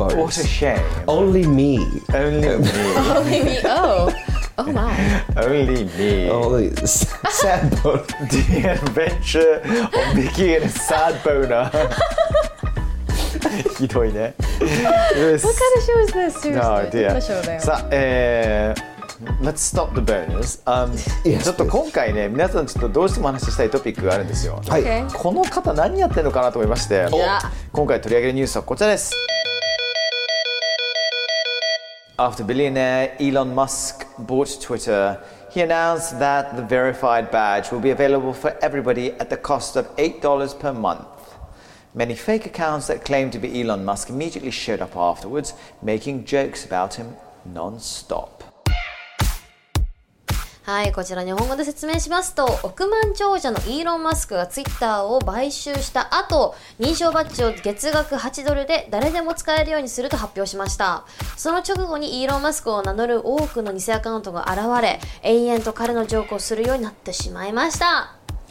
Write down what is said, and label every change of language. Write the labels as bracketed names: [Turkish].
[Japanese] 最近アラート鳴ってないですよね。最近鳴らしてないですね。鳴らしてない。最近僕バットマンのアダムウェストバンのオリジナルドラマシリーズをちょっと見ていまして、素晴らしいんですよ。この今のバットマンみたいなあんなシリアスじゃない、ジョーカー脱獄するのにでっかいバネ使ってボヤヤヤーンって飛んでって、緩くていいね。なかなかでもまだあのボーナーとか出てきてなくて、ああノーボーナー、はい、ノーボーナー、ゼロボーナー。 [English] Let's stop the burners. [Japanese] ちょっと今回ね、皆さんちょっとどうしても話したいトピックがあるんですよ。この方何やってるのかなと思いまして、今回取り上げるニュースはこちらです。 [English] After billionaire Elon Musk bought Twitter, he announced that the verified badge will be available for everybody at the cost of $8 per month. Many fake accounts that claimed to be Elon Musk immediately showed up afterwards, making jokes about him non-stop. [Japanese] はい、こちら日本語で説明しますと、億万長者のイーロン・マスクがツイッターを買収した後、認証バッジを月額8ドルで誰でも使えるようにすると発表しました。その直後にイーロン・マスクを名乗る多くの偽アカウントが現れ、延々と彼のジョークをするようになってしまいました。